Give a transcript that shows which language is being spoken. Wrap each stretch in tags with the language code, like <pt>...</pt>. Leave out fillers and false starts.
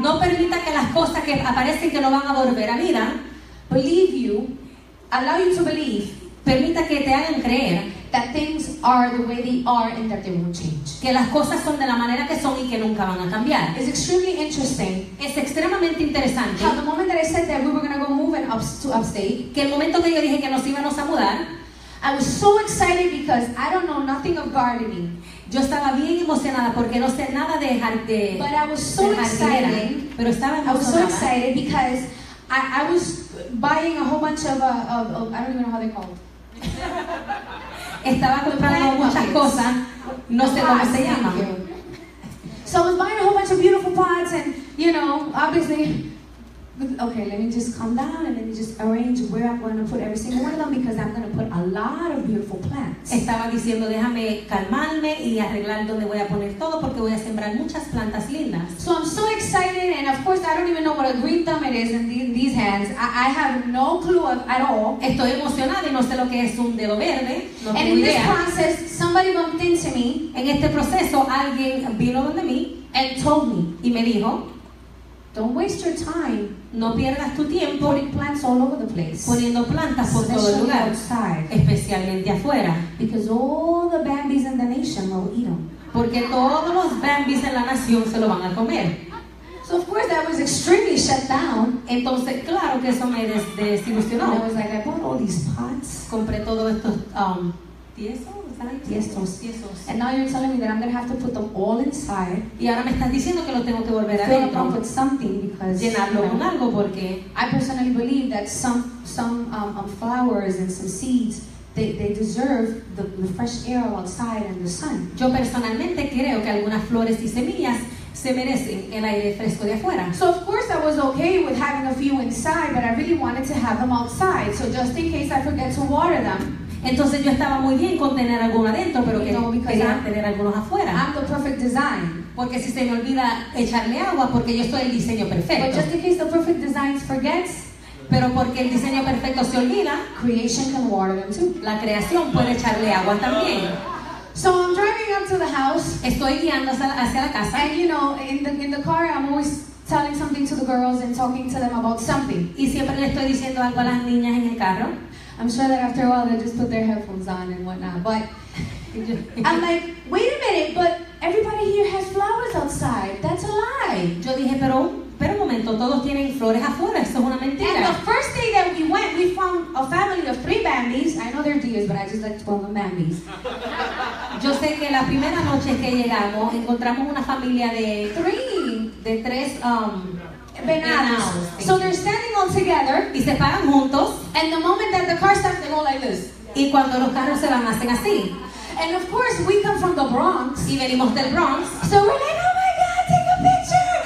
<es>No permita que las cosas que aparecen que no van a volver a vida.</es> <en>Believe you. Allow you to believe.</en> <es>Permita que te hagan creer</es> <en>that things are the way they are and that they won't change.</en> <es>Que las cosas son de la manera que son y que nunca van a cambiar.</es> <en>It's extremely interesting.</en> <es>Es extremadamente interesante.</es> <en>How the moment that I said that we were going to go moving to upstate.</en> <es>Que el momento que yo dije que nos íbamos a mudar.</es> <en>I was so excited because I don't know nothing of gardening.</en> <es>Yo estaba bien emocionada porque no sé nada de jardín.</es> <en>But I was so excited.</en> <es>Pero estaba emocionada.</es> <en>I was so excited because I was buying a whole bunch of I don't even know how they're called.</en> <es>Estaba comprando muchas cosas. No sé cómo se llama.</es> <en>So I was buying a whole bunch of beautiful pots and, you know, obviously. Okay, let me just calm down and let me just arrange where I'm going to put every single one of them because I'm going to put a lot of beautiful plants.</en> <es>Estaba diciendo, déjame calmarme y arreglar dónde voy a poner todo porque voy a sembrar muchas plantas lindas.</es> <en>So I'm so excited and of course I don't even know what a green thumb it is in these hands. I have no clue at all.</en> <es>Estoy emocionada y no sé lo que es un dedo verde. No</es> <en>and in this process, somebody bumped into me.</en> <es>En este proceso, alguien vino donde mí.</es> <en>And told me.</en> <es>Y me dijo,</es> <en>don't waste your time.</en> <es>No pierdas tu tiempo</es> <en>putting plants all over the place.</en> <es>Poniendo plantas por todo el lugar.</es> <en>Outside.</en> <es>Especialmente afuera.</es> <en>Because all the bambis in the nation will eat them.</en> <es>Porque todos los bambis en la nación se lo van a comer.</es> <en>So of course that was extremely shut down.</en> <es>Entonces claro que eso me desilusionó.</es> <en>I was like, I bought all these pots.</en> <es>Compré todos estos tiestos.</es> <en>And now you're telling me that I'm going to have to put them all inside.</en> <es>Y ahora me estás diciendo que lo tengo que volver a</es> <en>fill them up with something because</en> <es>llenarlo con algo porque</es> <en>I personally believe that some flowers and some seeds they deserve the fresh air outside and the sun.</en> <es>Yo personalmente creo que algunas flores y semillas se merecen el aire fresco de afuera.</es> <en>So of course I was okay with having a few inside, but I really wanted to have them outside. So just in case I forget to water them.</en> <es>Entonces yo estaba muy bien con tener algunos adentro, pero que quería tener algunos afuera.</es> <en>I'm the perfect design.</en> <es>Porque si se me olvida echarle agua, porque yo soy el diseño perfecto.</es> <en>But just in case the perfect design forgets,</en> <es>pero porque el diseño perfecto se olvida,</es> <en>creation can water them too.</en> <es>La creación puede echarle agua también.</es> <en>So I'm driving up to the house.</en> <es>Estoy guiando hacia la casa.</es> <en>And you know, in the car, I'm always telling something to the girls and talking to them about something.</en> <es>Y siempre le estoy diciendo algo a las niñas en el carro.</es> <en>I'm sure that after a while they just put their headphones on and whatnot. But I'm like, wait a minute, but everybody here has flowers outside. That's a lie.</en> <es>Yo dije, pero un momento, todos tienen flores afuera. Eso es una mentira.</es> <en>And the first day that we went, we found a family of 3 Bambis. I know they're deers, but I just like to call them Bambis.</en> <es>Yo sé que la primera noche que llegamos, encontramos una familia de 3 venados.</es> <en>So they're standing all together.</en> <es>Y se paran juntos.</es> <en>And the moment that the car stops, they go like this.</en> <es>Y cuando los carros se van, hacen así.</es> <en>And of course, we come from the Bronx.</en> <es>Y venimos del Bronx.</es> <en>So we're like, oh my God, take a picture.</en>